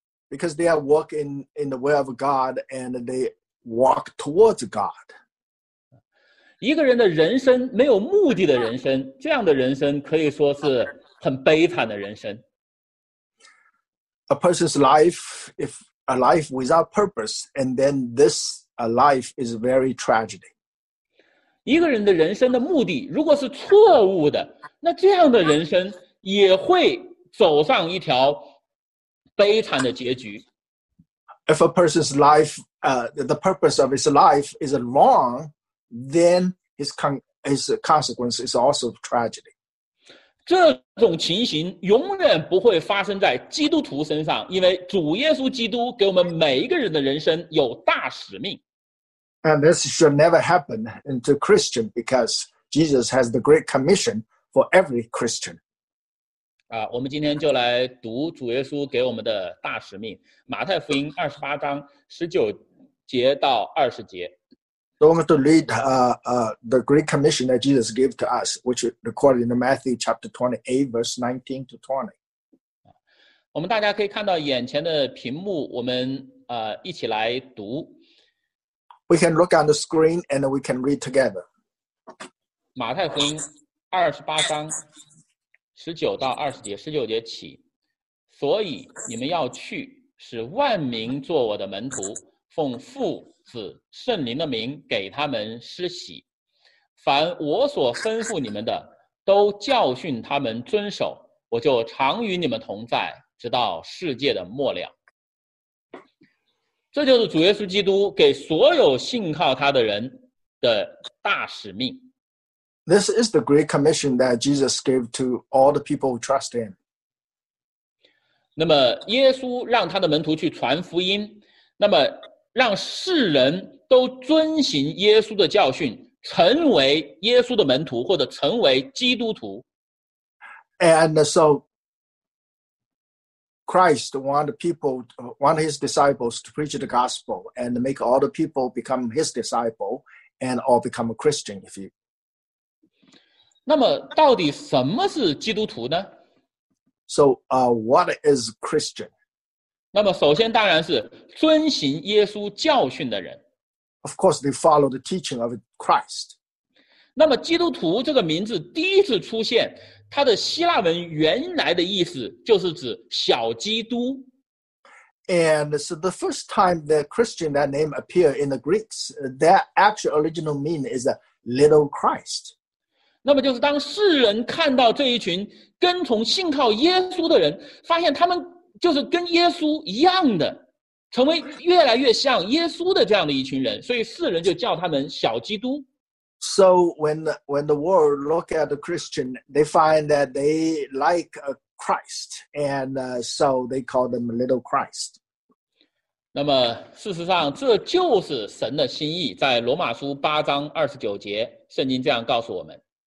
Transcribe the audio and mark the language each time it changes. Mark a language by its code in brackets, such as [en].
[en] Because they are walking in the way of God and they walk towards God. [zh] 一个人的人生没有目的的人生，这样的人生可以说是很悲惨的人生。 [en] A person's life, ifA life without purpose, and then this life is very tragedy. [zh] 一个人的人生的目的如果是错误的，那这样的人生也会走上一条悲惨的结局。 [en] If a person's life, the purpose of his life is wrong, then his consequence is also tragedy. [zh] 这种情形永远不会发生在基督徒身上，因为主耶稣基督给我们每一个人的人生有大使命。 [en] And this should never happen to Christian because Jesus has the great commission for every Christian. [zh] 啊，我们今天就来读主耶稣给我们的大使命，马太福音28:19-20。 [en] So we're going to read the great commission that Jesus gave to us, which is recorded in Matthew 28:19-20. [zh] 我们大家可以看到眼前的屏幕，我们一起来读。 [en] We can look on the screen and we can read together. [zh] 马太福音28:19-20，十九节起。所以你们要去，使万民做我的门徒，奉父子圣灵的名给他们施洗，凡我所吩咐你们的都教训他们遵守，我就常与你们同在，直到世界的末了。这就是主耶稣基督给所有信靠他的人的大使命。 [en] This is the great commission that Jesus gave to all the people who trust him. [zh] 那么耶稣让他的门徒去传福音，那么让世人都遵行耶稣的教训，成为耶稣的门徒，或者成为基督徒。 [en] And so, Christ wanted his disciples to preach the gospel and make all the people become his disciple and all become a Christian, if you. [zh] 那么，到底什么是基督徒呢？ [en] So, what is Christian? [zh] 那么首先当然是遵行耶稣教训的人。 [en] Of course, they follow the teaching of Christ. [zh] 那么基督徒这个名字第一次出现，它的希腊文原来的意思就是指小基督。 [en] And so the first time the Christian, that name appeared in the Greeks, that actual original mean is a little Christ. [zh] 那么就是当世人看到这一群跟从信靠耶稣的人，发现他们就是跟耶稣一样的，成为越来越像耶稣的这样的一群人，所以世人就叫他们小基督。 [en] So when the world look at the Christian, they find that they like a Christ, and so they call them little Christ. [zh] 那么事实上，这就是神的心意，在罗马书8:29，圣经这样告诉我们。